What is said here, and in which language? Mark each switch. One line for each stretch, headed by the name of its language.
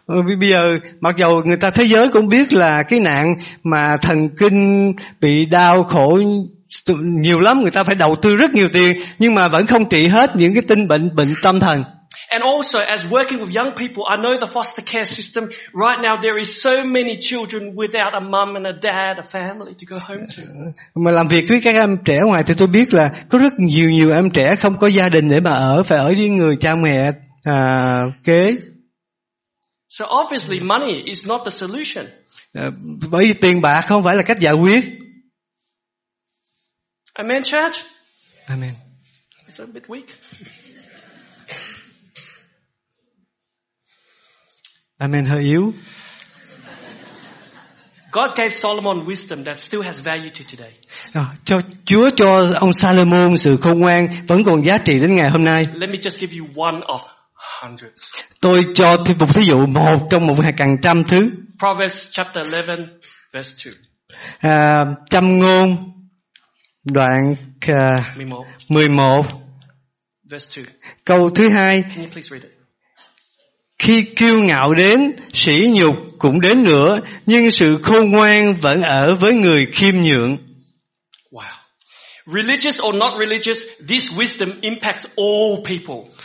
Vietnamese: Bây giờ, mặc dù người ta thế giới cũng biết là cái nạn mà thần kinh bị đau khổ nhiều lắm, người ta phải đầu tư rất nhiều tiền, nhưng mà vẫn không trị hết những cái tinh bệnh tâm thần.
English: And also, as working with young people, I know the foster care system. Right now, there is so many children without a mum and a dad, a family to go home to.
Vietnamese: Mà làm việc với các em trẻ ngoài thì tôi biết là có rất nhiều em trẻ không có gia đình để mà ở, phải ở với người cha mẹ kế.
English: So obviously, money is not the solution.
Vietnamese: Bởi vì tiền bạc không phải là cách giải quyết.
English: Amen, church. Amen. It's a bit weak.
Vietnamese: Amen, hơi yếu.
English: God gave Solomon wisdom that still has value to today.
Vietnamese: Chúa cho ông Salomon sự khôn ngoan vẫn còn giá trị đến ngày hôm nay.
English: Let me just give you one of hundreds.
Vietnamese: Tôi cho thêm một ví dụ một trong một hàng trăm thứ.
English: Proverbs chapter 11 verse 2.
Vietnamese: Châm ngôn đoạn 11
English: verse 2.
Vietnamese: Câu thứ hai.
English: Can you please read it?
Vietnamese: Khi kiêu ngạo đến, sỉ nhục cũng đến nữa, nhưng sự khôn ngoan vẫn ở với người khiêm nhượng.
English: Wow. Religious or not religious, this wisdom impacts all people.